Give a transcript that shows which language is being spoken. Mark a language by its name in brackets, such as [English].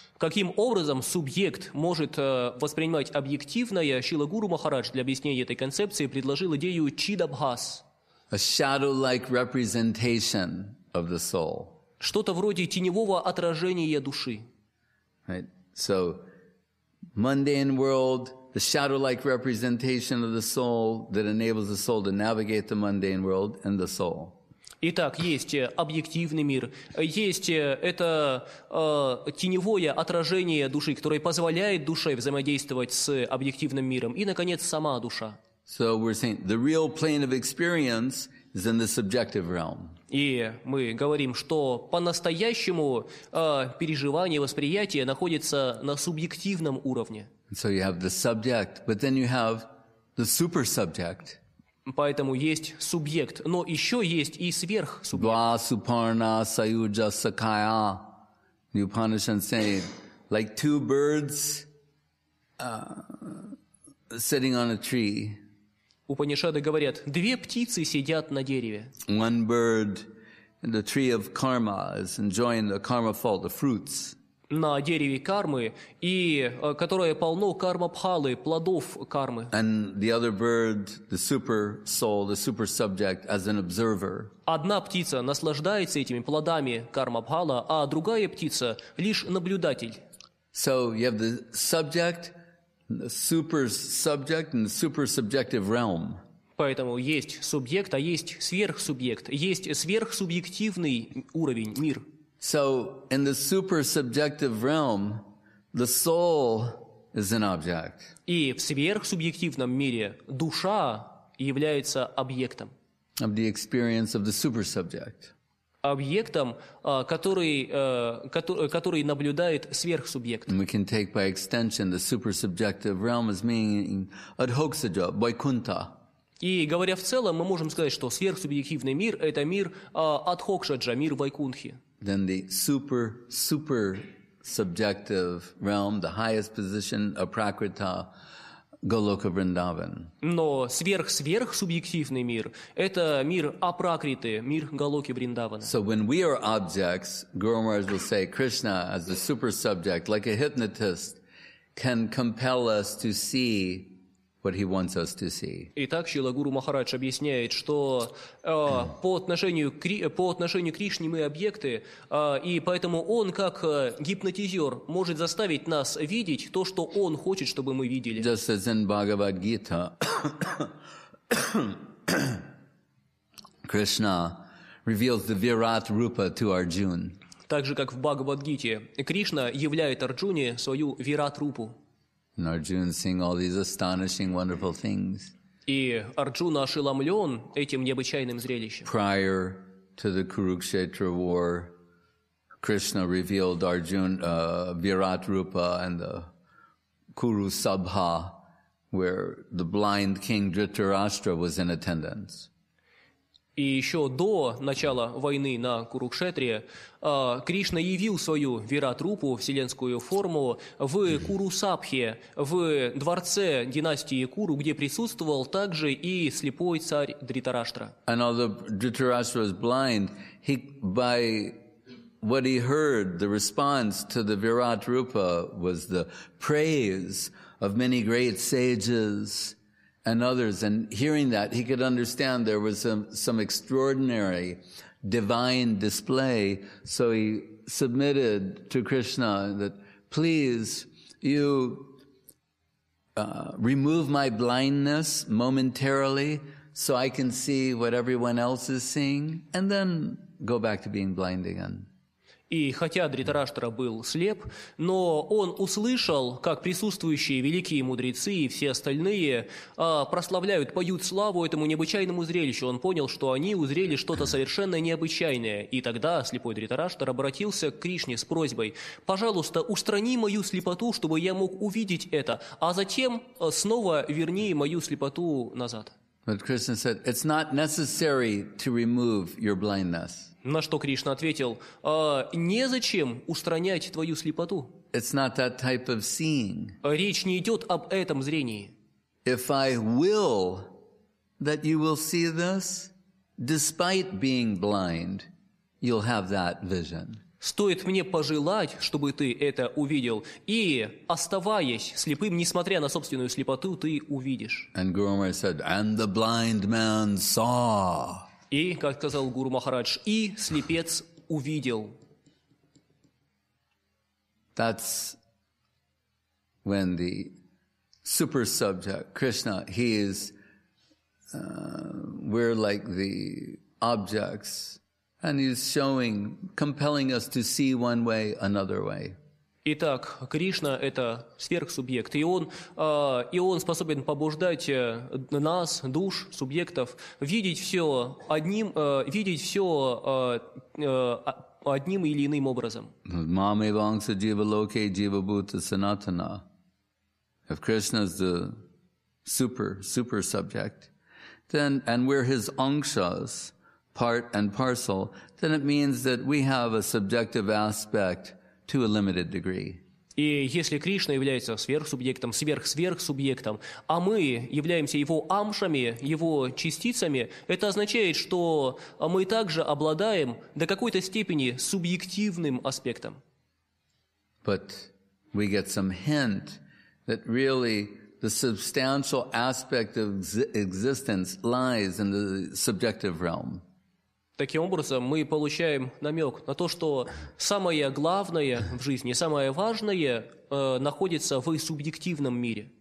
[Russian] Каким образом субъект может воспринимать объективное, Шрила Гуру Махарадж для объяснения этой концепции предложил идею чидабхас. [English] A shadow-like representation of the soul. [Russian] Что-то вроде теневого отражения души. [English] Right. So, mundane world, the shadow-like representation of the soul that enables the soul to navigate the mundane world and the soul. [Russian] Итак, есть объективный мир, есть это теневое отражение души, которое позволяет душе взаимодействовать с объективным миром, и, наконец, сама душа. [English] So we're saying the real plane of experience is in the subjective realm. [Russian] И мы говорим, что по-настоящему переживание, восприятие находится на субъективном уровне. [English] So you have the subject, but then you have the super subject. [Russian] Поэтому есть субъект, но еще есть и сверхсубъект. [Sanskrit] Два супарна саюджа сакая. [English] The Upanishad says, like two birds sitting on a tree. [Russian] Упанишады говорят, две птицы сидят на дереве. [English] One bird in the tree of karma is enjoying the karma fall, the fruits. [Russian] На дереве кармы, и которое полно карма-пхалы, плодов кармы. [English] And the other bird, the super soul, the super subject, as an observer. [Russian] Одна птица наслаждается этими плодами карма-пхала, а другая птица лишь наблюдатель. [English] So you have the subject, the super subject, and the super subjective realm. [Russian] Поэтому есть субъект, а есть сверхсубъект. Есть сверхсубъективный уровень, мир. [English] So in the super-subjective realm, the soul is an object. [Russian] И в сверхсубъективном мире душа является объектом. [English] Of the experience of the super-subject. [Russian] Объектом, который наблюдает сверхсубъект. [English] And we can take by extension the super-subjective realm as meaning Adhoksaja, Vaikuntha. [Russian] И говоря в целом, мы можем сказать, что сверхсубъективный мир – это мир Адхокшаджа, мир Вайкунхи. [English] Then the super subjective realm, the highest position of Prakriti, Голока Вриндаван. [Russian] Но сверх субъективный мир – это мир Апракриты, мир Голоки Вриндавана. [English] So when we are objects, Guru Maharaj will say, Krishna as the super subject, like a hypnotist, can compel us to see what he wants us to see. [Russian] Итак, Шрила Гуру Махарадж объясняет, что по отношению к Кришне мы объекты, и поэтому он, как гипнотизер, может заставить нас видеть то, что он хочет, чтобы мы видели. [English] Just as in Bhagavad-gita, Krishna reveals the Virat Rupa to Arjuna. [Russian] Так же, как в Бхагавад-гите, Кришна являет Арджуне свою Вират Рупу. [English] And Arjuna seeing all these astonishing, wonderful things. [Russian] И Арджуна ошеломлен этим необычайным зрелищем. [English] Prior to the Kurukshetra war, Krishna revealed Arjuna Virat Rupa and the Kuru Sabha, where the blind king Dhritarashtra was in attendance. [Russian] И еще до начала войны на Курукшетре Кришна явил свою Вират-рупу, вселенскую форму, в Куру-сабхе, в дворце династии Куру, где присутствовал также и слепой царь Дритараштра. [English] And although Dhritarashtra was blind, he, by what he heard, the response to the Vират-rupa was the praise of many great sages and others, and hearing that, he could understand there was some extraordinary divine display, so he submitted to Krishna that, please, you remove my blindness momentarily so I can see what everyone else is seeing, and then go back to being blind again. [Russian] И хотя Дритараштра был слеп, но он услышал, как присутствующие великие мудрецы и все остальные прославляют, поют славу этому необычайному зрелищу. Он понял, что они узрели что-то совершенно необычайное. И тогда слепой Дритараштра обратился к Кришне с просьбой: «Пожалуйста, устрани мою слепоту, чтобы я мог увидеть это, а затем снова верни мою слепоту назад». [English] But Krishna said, it's not necessary to remove your blindness. [Russian] На что Кришна ответил, незачем устранять твою слепоту. [English] It's not that type of seeing. [Russian] Речь не идет об этом зрении. [English] If I will that you will see this, despite being blind, you'll have that vision. [Russian] Стоит мне пожелать, чтобы ты это увидел, и, оставаясь слепым, несмотря на собственную слепоту, ты увидишь. [English] And Guru Maharaj said, and the blind man saw. [Russian] И, как сказал Гуру Махарадж, и слепец увидел. [English] That's when the super subject, Krishna, he is, we're like the objects, and he's showing, compelling us to see one way, another way. [Russian] Итак, Кришна – это сверхсубъект, и он способен побуждать нас, душ, субъектов, видеть все одним или иным образом. [Sanskrit] Мама Иванса Джива Локе Джива Бута Санатана. [English] If Krishna is the super subject, then, and we're his angshas, part and parcel, then it means that we have a subjective aspect to a limited degree. [Russian] И если Кришна является сверхсубъектом, сверхсверхсубъектом, а мы являемся его амшами, его частицами, это означает, что мы также обладаем до какой-то степени субъективным аспектом. [English] But we get some hint that really the substantial aspect of existence lies in the subjective realm. [Russian] Таким образом, мы получаем намек на то, что самое главное в жизни, самое важное находится в субъективном мире.